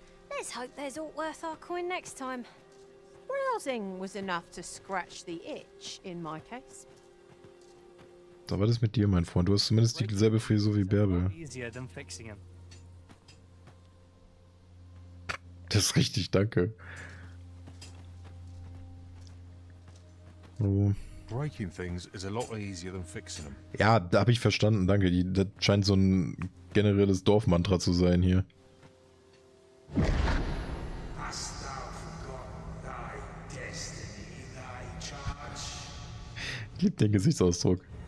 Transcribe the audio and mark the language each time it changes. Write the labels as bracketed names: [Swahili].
[English] Let's hope there's all worth our coin next time. Browsing was enough to scratch the itch in my case. [German] So, was ist mit dir, mein Freund? Du hast zumindest dieselbe Frisur wie Bärbel. Das ist richtig, danke. [English] Breaking things is a lot easier than fixing them. [German] Ja, da habe ich verstanden, danke. Das scheint so ein generelles Dorfmantra zu sein hier. Ich liebe den Gesichtsausdruck.